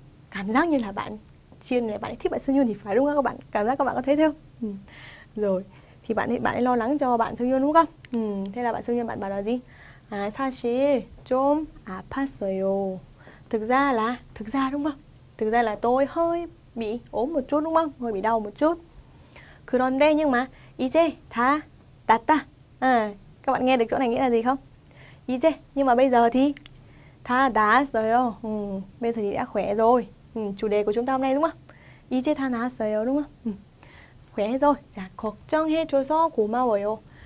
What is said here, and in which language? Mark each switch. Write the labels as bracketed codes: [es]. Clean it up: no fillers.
[vi] Cảm giác như là bạn chiên này, bạn ấy thích bạn Seungyoon thì phải đúng không? Các bạn cảm giác các bạn có thấy không? Rồi thì bạn ấy lo lắng cho bạn Seungyoon đúng không? Thế là bạn Seungyoon bạn bảo là gì? À, [ko] sa실 좀 아팠어요. [vi] Thực ra đúng không? Thực ra là tôi hơi bị ốm một chút đúng không? Hơi bị đau một chút. [ko] 그런데 [vi] nhưng mà [ko] 이제 다 낫다. [vi] Các bạn nghe được chỗ này nghĩa là gì không? [ko] 이제 [vi] nhưng mà bây giờ thì [ko] 다 낫어요. [vi] Bây giờ thì đã khỏe rồi. Chủ đề của chúng ta hôm nay đúng không? [ko] 이제 다 낫어요 [vi] đúng không? Khỏe rồi. [ko] 자, 걱정해줘서 고마워요.